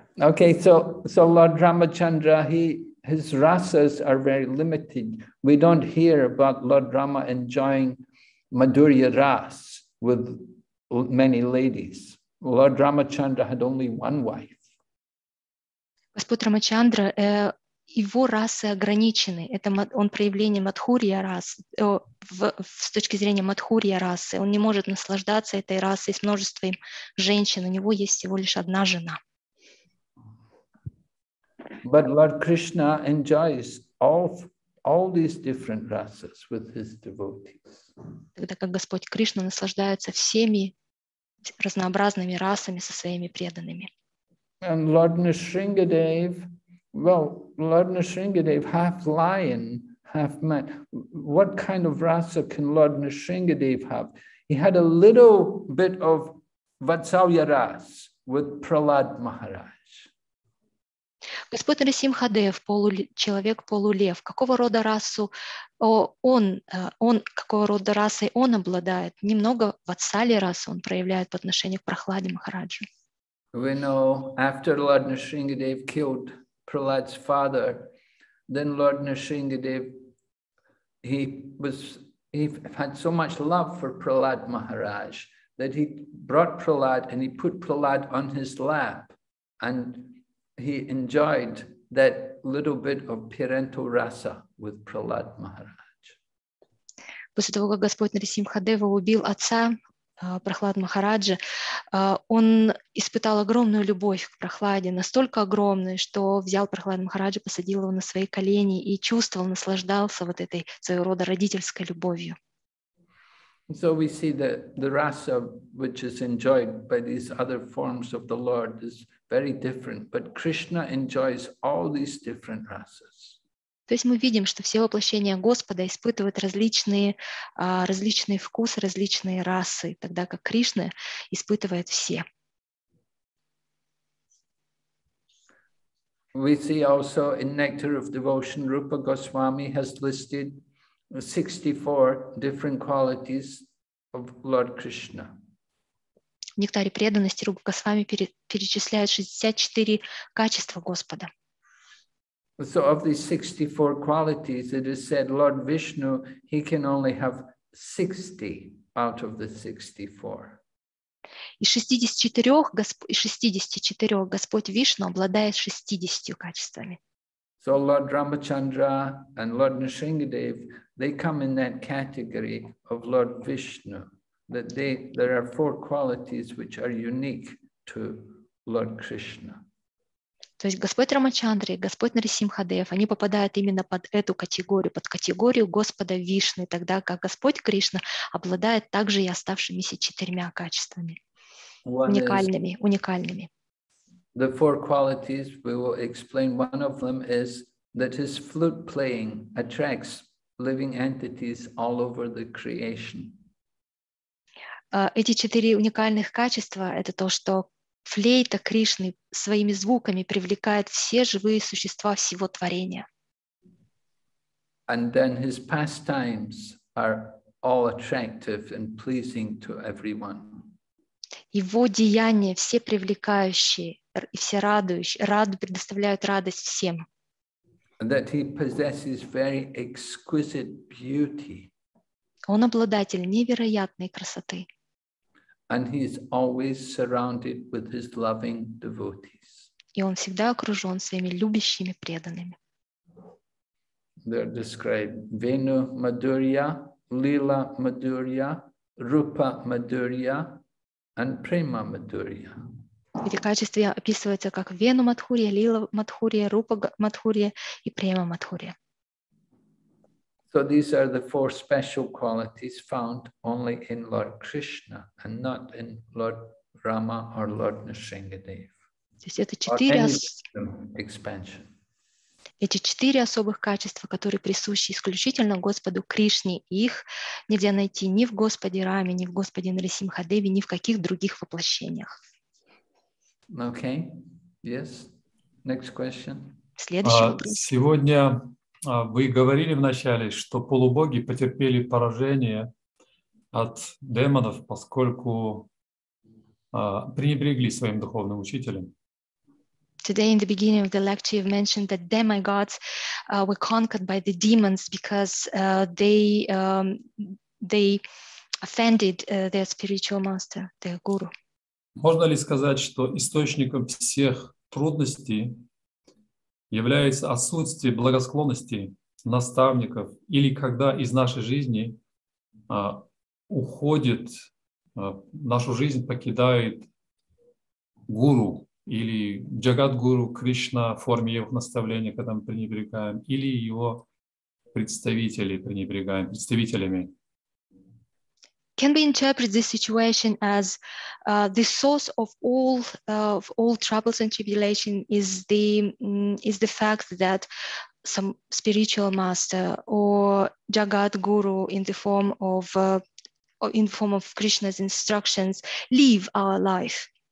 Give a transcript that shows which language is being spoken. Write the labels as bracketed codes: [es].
[en] Okay, so Lord Ramachandra, his rasas are very limited. We don't hear about Lord Rama enjoying Madhurya Ras with many ladies. Lord Ramachandra had only one wife. [ru] Господь Рамачандра, его расы ограничены. Это он проявление Мадхурья расы. С точки зрения Мадхурья расы, он не может наслаждаться этой расой с множеством женщин. У него есть всего лишь одна жена. [en] But Lord Krishna enjoys all these different rasas with his devotees. [ru] Тогда как Господь Кришна наслаждается всеми разнообразными расами со своими преданными. [en] And Lord Nrisingadev, well, Lord Nrisingadev, half lion, half man. What kind of rasa can Lord Nrisingadev have? He had a little bit of Vatsalya ras with Prahlad Maharaj. [ru] Господь Нрисимхадев, получеловек, полулев. Какого рода расу он какого рода расой он обладает? Немного Vatsalya расы он проявляет по отношению к Прахладе Махараджу. [en] We know after Lord Nrisingadev killed Prahlad's father, then Lord Nrisingadev, he had so much love for Prahlad Maharaj that he brought Prahlad and he put Prahlad on his lap and he enjoyed that little bit of parental rasa with Prahlad Maharaj. [ru] После того, как Господь Нрисимхадева убил отца Прахлад Махараджа, он испытал огромную любовь к Прахладе, настолько огромную, что взял Прахлад Махараджа, посадил его на свои колени и чувствовал, наслаждался вот этой своего рода родительской любовью. [en] So we see that the rasa, which is enjoyed by these other forms of the Lord, is very different, but Krishna enjoys all these different rasas. [ru] То есть мы видим, что все воплощения Господа испытывают различные вкусы, различные расы, тогда как Кришна испытывает все. [en] We see also in Nectar of Devotion, Rupa Goswami has listed 64 different qualities of Lord Krishna. [ru] В Нектаре преданности Рупа Госвами перечисляет 64 качества Господа. [en] So of these 64 qualities, it is said Lord Vishnu, he can only have 60 out of the 64. [ru] Из 64 Господь Вишну обладает 60 качествами. [en] So Lord Ramachandra and Lord Nrisingadev, they come in that category of Lord Vishnu, that there are four qualities which are unique to Lord Krishna. [ru] То есть Господь Рамачандра и Господь Нрисимхадев, они попадают именно под эту категорию, под категорию Господа Вишны, тогда как Господь Кришна обладает также и оставшимися четырьмя качествами, уникальными. [en] The four qualities we will explain. One of them is that his flute playing attracts living entities all over the creation. [ru] Эти четыре уникальных качества — это то, что флейта Кришны своими звуками привлекает все живые существа всего творения. [en] And then his pastimes are all attractive and pleasing to everyone. [ru] Его деяния все привлекающие и все радующие, предоставляют радость всем. [en] That he possesses very exquisite beauty. [ru] Он обладатель невероятной красоты. [en] And he is always surrounded with his loving devotees. [ru] И он всегда окружен своими любящими преданными. [en] They're described Venu Madhurya, Lila Madhurya, Rupa Madhurya, and Prema Madhurya. [ru] Эти качества описываются как Вену Мадхурья, Лила Мадхурья, Рупа Мадхурья и Према Мадхурья. [en] So these are the four special qualities found only in Lord Krishna and not in Lord Rama or Lord Nrisingadev. [ru] То есть это четыре [en] expansion. [ru] Эти четыре особых качества, которые присущи исключительно Господу Кришне, их нельзя найти ни в Господе Раме, ни в Господе Нрисимхадеве, ни в каких других воплощениях. [en] Okay. Yes. Next question. [ru] Следующий вопрос. Сегодня вы говорили вначале, что полубоги потерпели поражение от демонов, поскольку пренебрегли своим духовным учителем. [en] Today in the beginning of the lecture you've mentioned that demigods were conquered by the demons because they offended their spiritual master, their guru. [ru] Можно ли сказать, что источником всех трудностей является отсутствие благосклонности наставников, или когда из нашей жизни уходит, нашу жизнь покидает гуру или джагат-гуру Кришна в форме его наставления, когда мы пренебрегаем, или его представители пренебрегаем, представителями? [en] Can we interpret this situation as the source of all troubles and tribulation is the fact that some spiritual master or jagat guru in the form of Krishna's instructions leave our life?